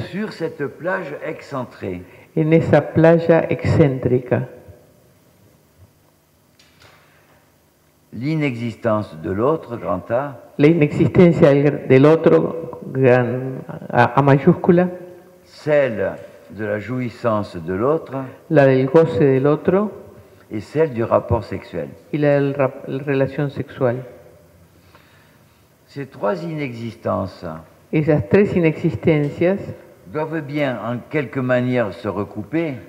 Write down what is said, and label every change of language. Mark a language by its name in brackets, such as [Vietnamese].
[French] sur cette plage excentrée, [Spanish] en esa playa excéntrica, [French] l'inexistence de l'autre, grand A, [Spanish] la inexistencia del otro, gran A mayúscula, [French] celle de la jouissance de l'autre, [Spanish] la del goce del otro, [French] et celle du rapport sexuel, [Spanish] y la del relación sexual. [French] Ces trois inexistences, [Spanish] esas tres inexistencias, [French] doivent bien en quelque manière se recouper,